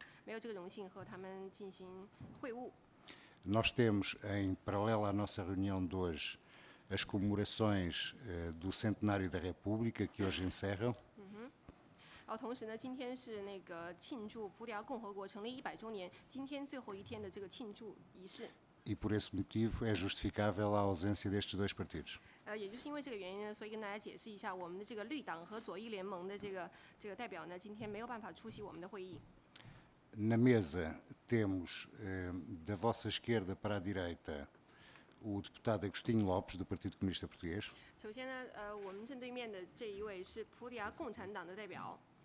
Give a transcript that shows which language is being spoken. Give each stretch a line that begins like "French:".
Chinese: 同时呢，这个Bloco de Esquerda、左翼联盟和绿党呢，虽然我们今天没有这个荣幸和他们进行会晤。
Portuguese: Nós temos em paralelo à nossa reunião de hoje as comemorações do Centenário da República, que hoje encerram.
Chinese: 同时呢，今天是那个庆祝葡萄牙共和国成立100周年，今天最后一天的这个庆祝仪式。
Portuguese: E por esse motivo é justificável a ausência destes 2 partidos.
Chinese: 也就是因为这个原因呢，所以跟大家解释一下，我们的这个绿党和左翼联盟的这个代表呢，今天没有办法出席我们的会议。
Portuguese: Na mesa temos da vossa esquerda para a direita o deputado Agostinho Lopes, do Partido Comunista Português.
Chinese: 首先呢，我们正对面的这一位是葡萄牙共产党的代表。